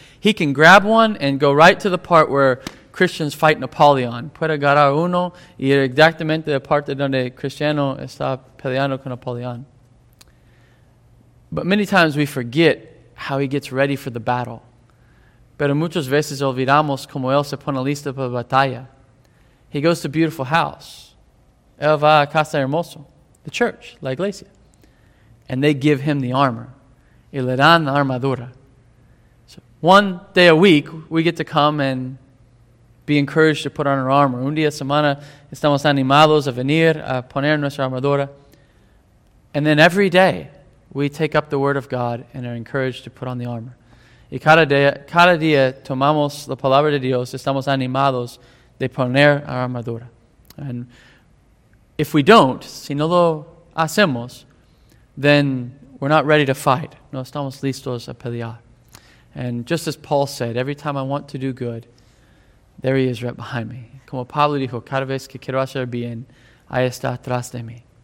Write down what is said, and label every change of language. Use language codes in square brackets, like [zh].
[en] He can grab one and go right to the part where Christians fight Napoleon. [es] Puede agarrar uno y ir exactamente a la parte donde Cristiano está peleando con Napoleón. [en] But many times we forget how he gets ready for the battle. [es] Pero muchas veces olvidamos cómo él se pone listo para la batalla. [en] He goes to a beautiful house. [es] Él va a casa hermoso. [en] The church, [es] la iglesia. [en] And they give him the armor. [es] Y le dan la armadura. [en] So one day a week, we get to come and be encouraged to put on our armor. [es] Un día a semana, estamos animados a venir a poner nuestra armadura. [en] And then every day, we take up the word of God and are encouraged to put on the armor. [es] Y cada día tomamos la palabra de Dios, estamos animados de poner la armadura. [en] And if we don't, [es] si no lo hacemos, [en] then we're not ready to fight. [es] No estamos listos a pelear. [en] And just as Paul said, every time I want to do good, there he is right behind me. [es] Como Pablo dijo, cada vez que quiero hacer bien, ahí está atrás de mí.